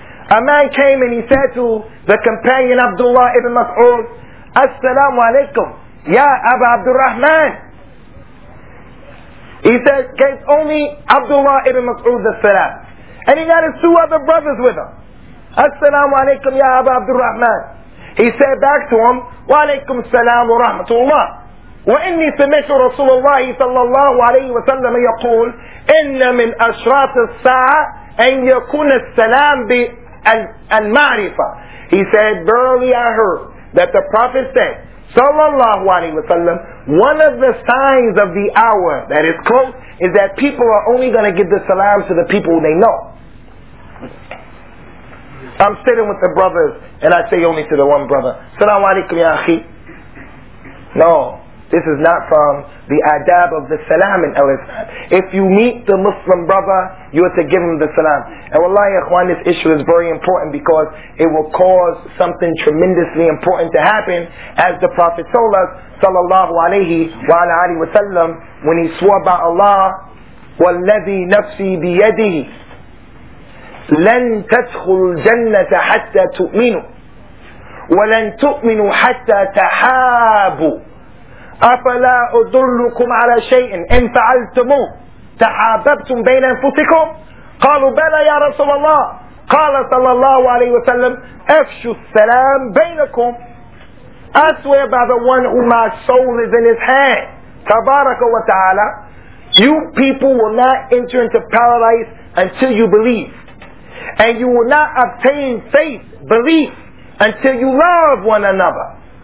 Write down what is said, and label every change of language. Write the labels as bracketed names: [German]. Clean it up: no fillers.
[English] A man came and he said to the companion Abdullah ibn Mas'ud, As-salamu alaykum, ya Abu Abdurrahman. He said, gave only Abdullah ibn Mas'ud the salam. And he got his two other brothers with him. As-salamu alaykum, ya Abu Abdurrahman. He said back to him, wa alaykum salam wa rahmatullah. [Arabic] وإني سمعت رسول الله صلى الله عليه وسلم يقول إن من أشراط الساعة أن يكون السلام بالمعرفة. [English] He said, verily I heard that the Prophet said صلى الله عليه وسلم, one of the signs of the hour that is close is that people are only going to give the salam to the people they know. I'm sitting with the brothers and I say only to the one brother, [Arabic] السلام عليكم يا أخي. [English] No, this is not from the adab of the salam in al-Islam. If you meet the Muslim brother, you are to give him the salam. And wallahi, akhwan, this issue is very important because it will cause something tremendously important to happen, as the Prophet told us, sallallahu alayhi wa alayhi wa sallam, when he swore by Allah, [Arabic] وَالَّذِي نَفْسِي بِيَدِهِ لَن تَدْخُلُ الْجَنَّةَ حَتَّى تُؤْمِنُوا وَلَن تُؤْمِنُوا حَتَّى تَحَابُوا أَفَلَا أُدُلُّكُمْ عَلَى شَيْءٍ إِنْ فَعَلْتُمُوهُ تَحَابَبْتُمْ بَيْنَ أَنفُسِكُمْ قَالُوا بَلَى يَا رَسُولَ اللَّهِ قَالَ صَلَى اللَّهُ عَلَيْهِ وَسَلَّمْ أَفْشُوا السَّلَامُ بَيْنَكُمْ. [English] I swear by the one who my soul is in his hand, [Arabic] تَبَارَكَ وَتَعَالَى, [English] you people will not enter into paradise until you believe. And you will not obtain faith, belief, until you love one another.